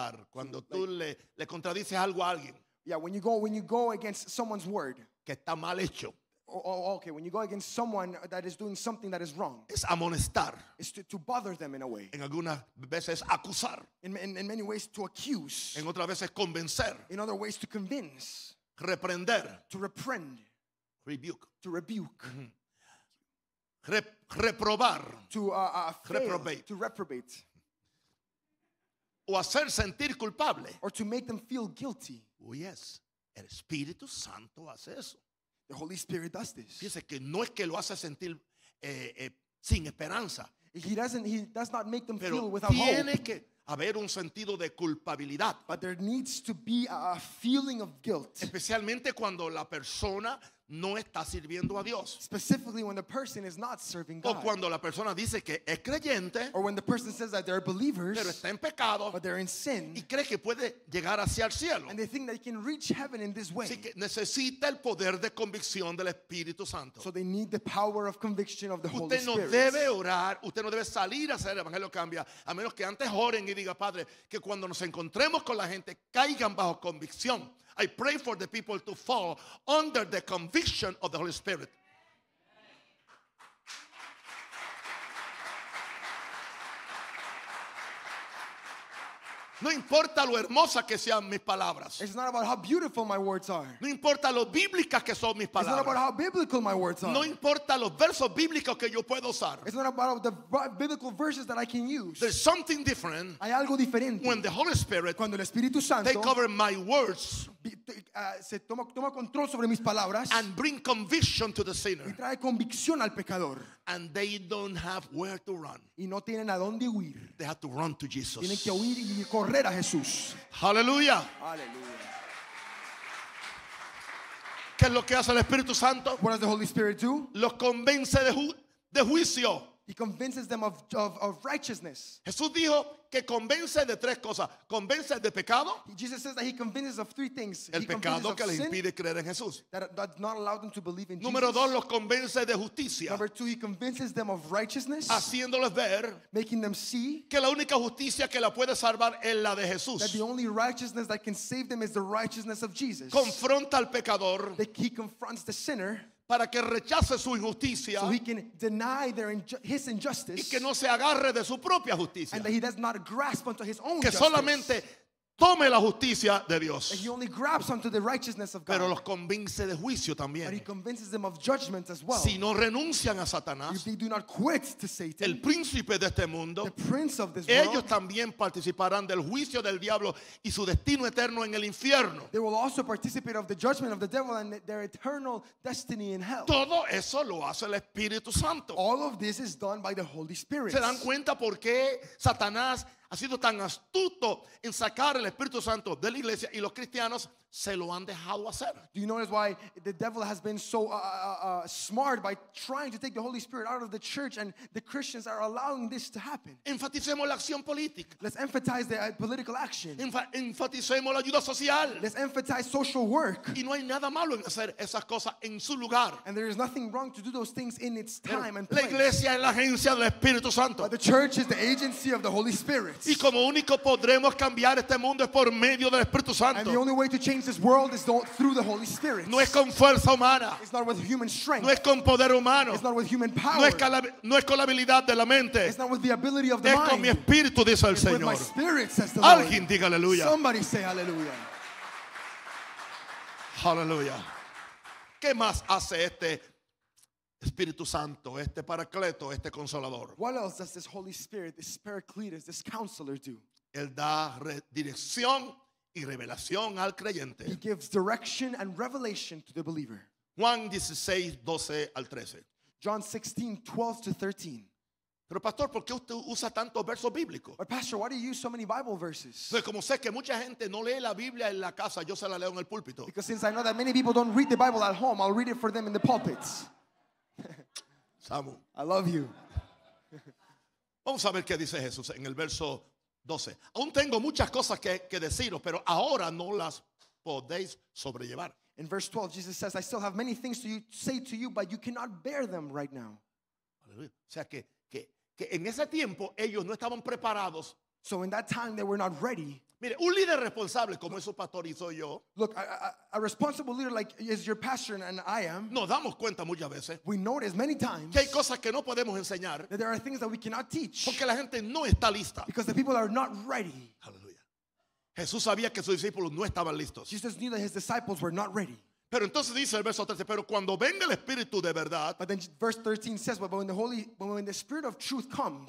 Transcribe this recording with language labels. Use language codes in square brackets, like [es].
[es] Cuando tú le contradices algo a alguien. [en] Yeah, when you go against someone's word. [es] Que está mal hecho. [en] Okay, when you go against someone that is doing something that is wrong. [es] Es amonestar. [en] It's to bother them in a way. [es] En algunas veces acusar. [en] In many ways to accuse. [es] En otras veces convencer. [en] In other ways to convince. [es] Reprender. [en] To reprend. Rebuke. To rebuke. Mm-hmm. [es] Reprobar. [en] To fail. Reprobate. To reprobate. [es] o hacer sentir culpable. [en] Or to make them feel guilty. Oh, yes. [es] El Espíritu Santo hace eso. [en] The Holy Spirit does this. [es] Fíjese que no es que lo hace sentir sin esperanza. [en] He does not make them [es] pero [en] feel without [es] tiene [en] hope. [es] Que haber un sentido de culpabilidad. [en] But there needs to be a feeling of guilt. [es] Especialmente cuando la persona no está sirviendo a Dios. [en] Specifically when the person is not serving God. [es] O cuando la persona dice que es creyente. [en] Or when the person says that they're believers. [es] Pero está en pecado. [en] But they're in sin. [es] Y cree que puede llegar hacia el cielo. [en] And they think they can reach heaven in this way. [es] Así que necesita el poder de convicción del Espíritu Santo. [en] So they need the power of conviction of the [es] usted [en] Holy Spirit. [es] Usted no debe orar. Usted no debe salir a hacer el Evangelio cambia. A menos que antes oren y diga, Padre, que cuando nos encontremos con la gente caigan bajo convicción. [en] I pray for the people to fall under the conviction of the Holy Spirit. [es] No importa lo hermosas que sean mis palabras. [en] It's not about how beautiful my words are. [es] No importa lo bíblicas que son mis palabras. [en] It's not about how biblical my words are. [es] No importa los versos bíblicos que yo puedo usar. [en] It's not about the biblical verses that I can use. There's something different. [es] Hay algo diferente. [en] When the Holy Spirit, [es] cuando el Espíritu Santo, [en] they cover my words. [es] Se toma control sobre mis palabras. [en] And bring conviction to the sinner. [es] Y trae convicción al pecador. [en] And they don't have where to run. [es] Y no tienen a dónde huir. [en] They have to run to Jesus. [es] Tienen que huir y correr a Jesús. [en] Hallelujah. Hallelujah. [es] ¿Qué es lo que hace el Espíritu Santo? [en] What does the Holy Spirit do? [es] Los convence de juicio. [en] He convinces them of righteousness. [es] Jesús dijo que convence de tres cosas. Convence de pecado. [en] Jesus says that he convinces of three things. [es] El pecado que les impide creer en Jesús. [en] That does not allow them to believe in Jesus. [es] Número dos, los convence de justicia. [en] Number two, he convinces them of righteousness. [es] Haciéndoles ver. [en] Making them see. [es] Que la única justicia que la puede salvar es la de Jesús. [en] That the only righteousness that can save them is the righteousness of Jesus. [es] Confronta al pecador. [en] That he confronts the sinner. [es] Para que rechace su injusticia. [en] So he can deny his injustice. [es] Y que no se agarre de su propia justicia. [en] And that he does not grasp onto his own [es] que [en] justice. [es] Solamente tome la justicia de Dios. [en] And he only grabs onto the righteousness of God. [es] Pero los convence de juicio también. [en] But he convinces them of judgment as well. [es] Si no renuncian a Satanás. [en] If they do not quit to Satan. [es] El príncipe de este mundo. [en] The prince of this [es] ellos [en] world. [es] Ellos también participarán del juicio del diablo y su destino eterno en el infierno. [en] They will also participate of the judgment of the devil and their eternal destiny in hell. [es] Todo eso lo hace el Espíritu Santo. [en] All of this is done by the Holy Spirit. [es] ¿Se dan cuenta por qué Satanás ha sido tan astuto en sacar el Espíritu Santo de la iglesia y los cristianos se lo han dejado hacer? [en] Do you notice why the devil has been so smart by trying to take the Holy Spirit out of the church and the Christians are allowing this to happen? [es] Enfaticemos la acción política. [en] Let's emphasize the political action. [es] Enfaticemos la ayuda social. [en] Let's emphasize social work. [es] Y no hay nada malo en hacer esas cosas en su lugar. [en] And there is nothing wrong to do those things in its time and place. [es] La iglesia es la agencia del Espíritu Santo. [en] But the church is the agency of the Holy Spirit. [es] Y como único podremos cambiar este mundo es por medio del Espíritu Santo. [en] And the only way to change this world is through the Holy Spirit. [es] No es con fuerza humana. [en] It's not with human strength. [es] No es con poder humano. [en] It's not with human power. [es] No es con la habilidad de la mente. [en] It's not with the ability of the mind. [es] Es con mi espíritu, dice el Señor. [en] It's with my spirit, says the Lord. [es] Alguien diga aleluya. [en] Somebody say hallelujah. Hallelujah. [es] ¿Qué más hace este Espíritu Santo, este paracleto, este consolador? [en] What else does this Holy Spirit, this paracletus, this counselor do? [es] Él da dirección y revelación al creyente. [en] He gives direction and revelation to the believer. [es] Juan 16, 12 al 13. [en] John 16, 12 to 13. [es] Pero pastor, ¿por qué usted usa tantos versos bíblicos? [en] But pastor, why do you use so many Bible verses? [es] Pues como sé que mucha gente no lee la Biblia en la casa, yo se la leo en el púlpito. [en] Because since I know that many people don't read the Bible at home, I'll read it for them in the pulpits. Samu. I love you. [es] Vamos a ver qué dice Jesús en el verso 12. Aún tengo muchas cosas que deciros, pero ahora no las podéis sobrellevar. [en] In verse 12, Jesus says, I still have many things to say to you, but you cannot bear them right now. [es] Aleluya. O sea que en ese tiempo ellos no estaban preparados. [en] So in that time they were not ready. [es] Mire, un líder responsable como es su pastor y soy yo. [en] Look, a responsible leader like is your pastor and I am. [es] Nos damos cuenta muchas veces. [en] We notice many times. [es] Que hay cosas que no podemos enseñar. [en] That there are things that we cannot teach. [es] Porque la gente no está lista. [en] Because the people are not ready. [es] Aleluya. Jesús sabía que sus discípulos no estaban listos. [en] Jesus knew that his disciples were not ready. [es] Pero entonces dice el verso 13, pero cuando venga el Espíritu de verdad. [en] But then verse 13 says, but when the Spirit of truth comes.